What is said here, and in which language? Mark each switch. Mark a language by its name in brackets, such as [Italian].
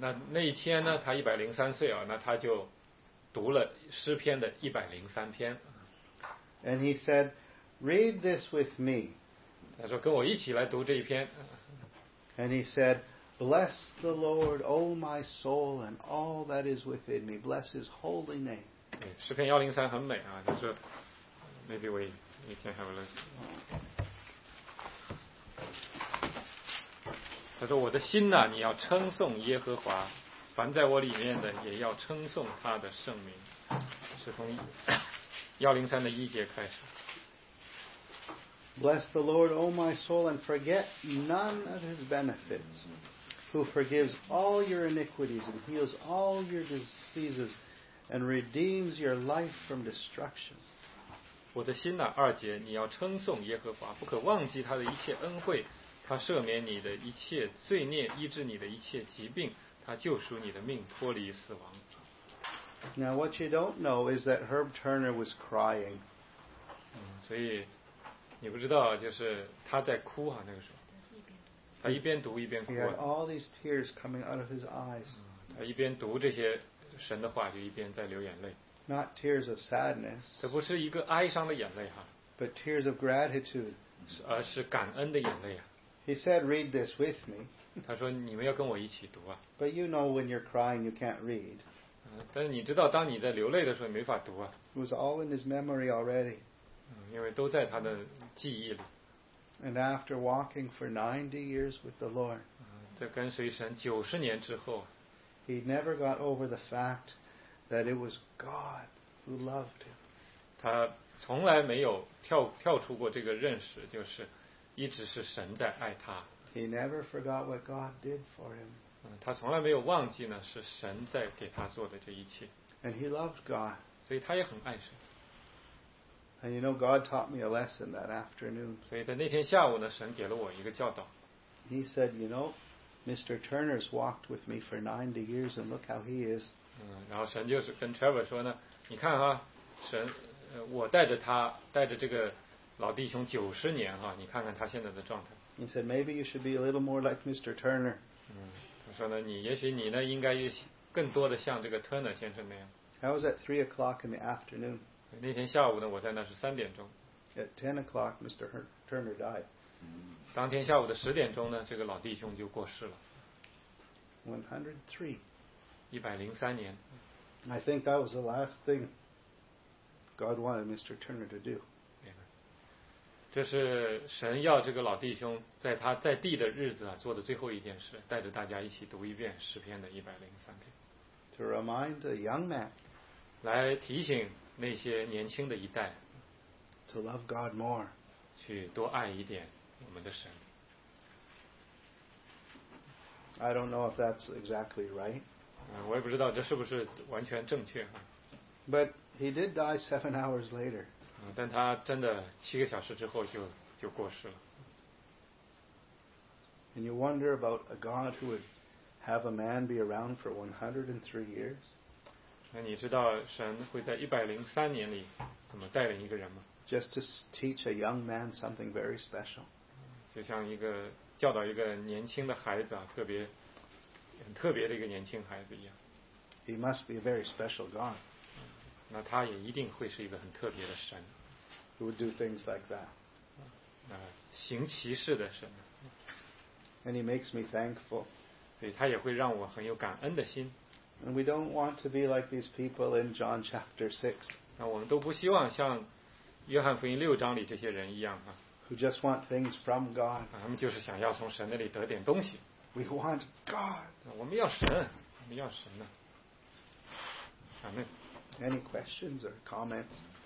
[Chinese] 那一天呢，他103岁啊，那他就读了诗篇的103篇。 [English] And he said, "Read this with me." [Chinese] 他说跟我一起来读这一篇。 [English] And he said, "Bless the Lord, O my soul, and all that is within me. Bless His holy name." [Chinese] 诗篇103很美啊，就是 [English] maybe we can have a look. [Chinese] 他说我的心呐，你要称颂耶和华。凡在我里面的也要称颂他的圣名，是从103的一节开始。 [English] Bless the Lord, O my soul, and forget none of his benefits, who forgives all your iniquities and heals all your diseases and redeems your life from destruction. [Chinese] 我的心哪，二节，你要称颂耶和华，不可忘记他的一切恩惠，他赦免你的一切罪孽，医治你的一切疾病，他救赎你的命，脱离死亡。 [English] Now what you don't know is that Herb Turner was crying. [Chinese] 所以你不知道，就是他在哭啊，那个时候。他一边读一边哭。 [English] He had all these tears coming out of his eyes. [Chinese] 他一边读这些神的话，就一边在流眼泪。 [English] Not tears of sadness. [Chinese] 这不是一个哀伤的眼泪哈。 [English] But tears of gratitude. [Chinese] 而是感恩的眼泪啊。 [English] He said, "Read this with me." [Chinese] 他说你们要跟我一起读啊。 [English] But you know when you're crying, you can't read. [Chinese] 但是你知道，当你在流泪的时候，没法读啊。 [English] It was all in his memory already. [Chinese] 因为都在他的记忆里。 [English] And after walking for 90 years with the Lord, [Chinese] 在跟随神九十年之后 [English] ，he never got over the fact that it was God who loved him. [Chinese] 他从来没有跳出过这个认识，就是。一直是神在爱他。 [English] He never forgot what God did for him. [Chinese] 他从来没有忘记呢，是神在给他做的这一切。 [English] And he loved God. [Chinese] 所以他也很爱神。 [English] And you know, God taught me a lesson that afternoon. [Chinese] 所以在那天下午呢，神给了我一个教导。 [English] He said, "You know, Mr. Turner's walked with me for 90 years, and look how he is." [Chinese] 然后神就是跟 Trevor 说呢，你看哈，神，我带着他，带着这个。老弟兄九十年哈，你看看他现在的状态。 [English] He said, "Maybe you should be a little more like Mr. Turner." [Chinese] 他说呢，你也许你呢应该更多的像这个 Turner 先生那样。 [English] I was at 3 o'clock in the afternoon. [Chinese] 那天下午呢，我在那是3点钟。 [English] At 10 o'clock, Mr. Turner died. [Chinese] 当天下午的10点钟呢，这个老弟兄就过世了。 [English] 103. [Chinese] 103年。 [English] I think that was the last thing God wanted Mr. Turner to do. [Chinese] 这是神要这个老弟兄在他在地的日子啊做的最后一件事，带着大家一起读一遍诗篇的103篇。 [English] To remind a young man, [Chinese] 来提醒那些年轻的一代 [English] ，to love God more, [Chinese] 去多爱一点我们的神。 [English] I don't know if that's exactly right. [Chinese] 我也不知道这是不是完全正确啊。 [English] But he did die 7 hours later. [Chinese] 但他真的7个小时之后就过世了。 [English] And you wonder about a God who would have a man be around for 103 years? [Chinese] 那你知道神会在103年里怎么带领一个人吗 [English] ？Just to teach a young man something very special. [Chinese] 就像一个教导一个年轻的孩子啊，特别很特别的一个年轻孩子一样。 [English] He must be a very special God. [Chinese] 那他也一定会是一个很特别的神。 [English] Who would do things like that? [Chinese] 行其事的神。 [English] And he makes me thankful. [Chinese] 所以他也会让我很有感恩的心。 [English] And we don't want to be like these people in John chapter 6. [Chinese] 那我们都不希望像约翰福音6章里这些人一样啊。 [English] Who just want things from God. [Chinese] 他们就是想要从神那里得点东西。 [English] We want God. [Chinese] 我们要神，我们要神呢。阿门。 [English] Any questions or comments?